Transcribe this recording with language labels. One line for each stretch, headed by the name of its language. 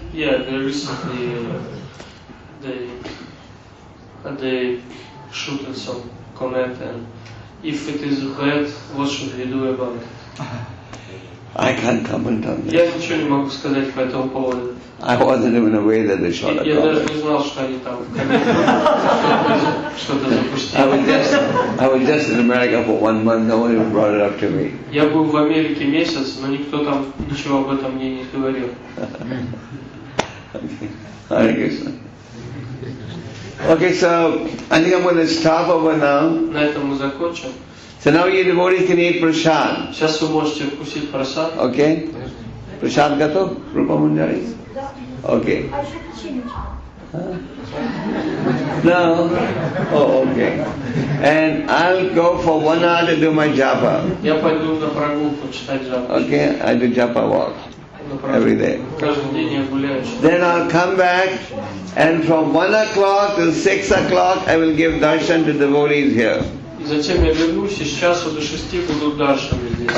English: Yeah, they recently they shoot some comet and if it is red, what should we do about it? I can't comment on this.
Russian: Я ничего не могу сказать по этому поводу.
English: I wasn't even aware that they shot a comet.
Russian: Я даже не знал, что они там что-то запустили.
English: I was just in America for 1 month. No one even brought it up to me.
Russian: Я был в Америке месяц, но никто там ничего об этом мне не говорил.
English: Hare Krishna. Okay, so I think I'm going to stop over now.
Russian: На этом мы закончим.
English: So now you devotees can eat prasad.
Russian: Сейчас вы можете вкусить прасад. Okay. Прасад готов? Рупа Мунджари? Да. Okay.
English: No? Oh, okay. And I'll go for 1 hour to do my japa.
Russian: Я пойду на прогулку читать джапу.
English: Okay, I do japa walk. Every day. Then I'll come back and from 1 o'clock till 6 o'clock I will give darshan to devotees here.
Russian: затем я вернусь, и с часу до шести буду даршан здесь.